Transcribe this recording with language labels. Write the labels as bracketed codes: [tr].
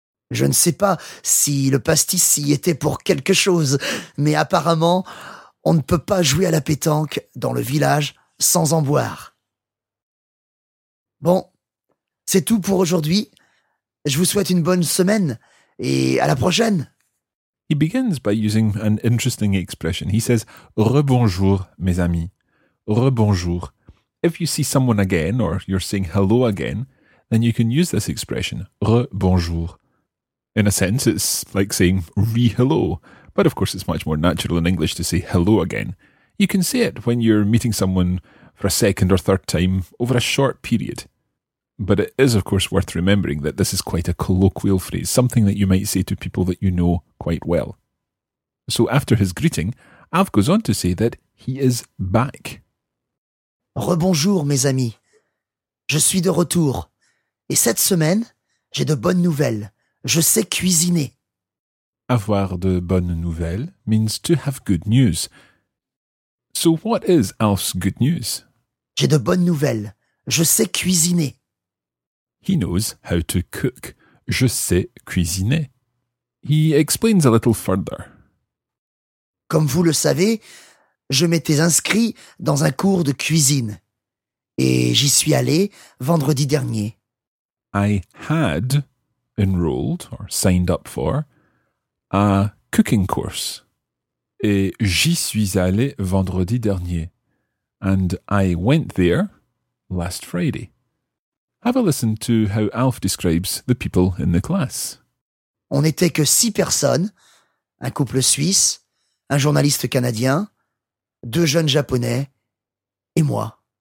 [fr] Je ne sais pas si le pastis y était pour quelque chose, mais apparemment, on ne peut pas jouer à la pétanque dans le village sans en boire. Bon, c'est tout pour aujourd'hui. Je vous souhaite une bonne semaine et à la prochaine. [en] He begins by using an interesting expression. He says, [fr] rebonjour, mes amis. Rebonjour. [en] If you see someone again or you're saying hello again, then you can use this expression, rebonjour. In a sense, it's like saying re-hello, but of course it's much more natural in English to say hello again. You can say it when you're meeting someone for a second or third time over a short period. But it is, of course, worth remembering that this is quite a colloquial phrase, something that you might say to people that you know quite well. So after his greeting, Alf goes on to say that he is back. [fr] Rebonjour, mes amis. Je suis de retour. Et cette semaine, j'ai de bonnes nouvelles. Je sais cuisiner. Avoir de bonnes nouvelles [en] means to have good news. So what is Alf's good news? [fr] J'ai de bonnes nouvelles. Je sais cuisiner. [en] He knows how to cook. [fr] Je sais cuisiner. [en] He explains a little further. [fr] Comme vous le savez, je m'étais inscrit dans un cours de cuisine. Et j'y suis allé vendredi dernier. [en] I had enrolled or signed up for a cooking course. [fr] Et j'y suis allé vendredi dernier. [en] And I went there last Friday. Have a listen to how Alf describes the people in the class. [fr] On n'était que 6 personnes, un couple suisse, un journaliste canadien, 2 jeunes japonais et moi.